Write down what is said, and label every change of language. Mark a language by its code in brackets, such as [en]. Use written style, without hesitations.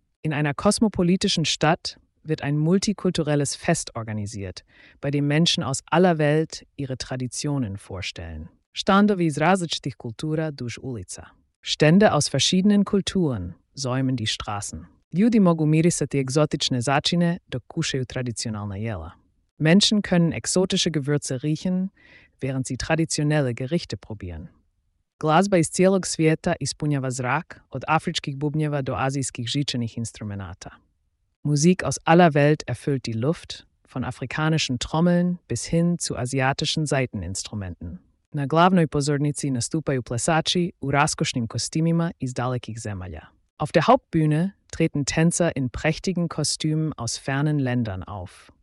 [de] In einer kosmopolitischen Stadt wird ein multikulturelles Fest organisiert, bei dem Menschen aus aller Welt ihre Traditionen vorstellen. [hr] Standovi iz različitih kultura duž ulica. [de] Stände aus verschiedenen Kulturen säumen die Straßen. [hr] Ljudi mogu mirisati egzotične začine dok kušaju tradicionalna jela. [de] Menschen können exotische Gewürze riechen, während sie traditionelle Gerichte probieren. [hr] Glazba iz cijelog svijeta ispunjava zrak, od afričkih bubnjeva do azijskih žičanih instrumenata. [de] Musik aus aller Welt erfüllt die Luft, von afrikanischen Trommeln bis hin zu asiatischen Saiteninstrumenten. [hr] Na glavnoj pozornici nastupaju plesači u raskošnim kostimima iz dalekih zemalja. [de] Auf der Hauptbühne treten Tänzer in prächtigen Kostümen aus fernen Ländern auf.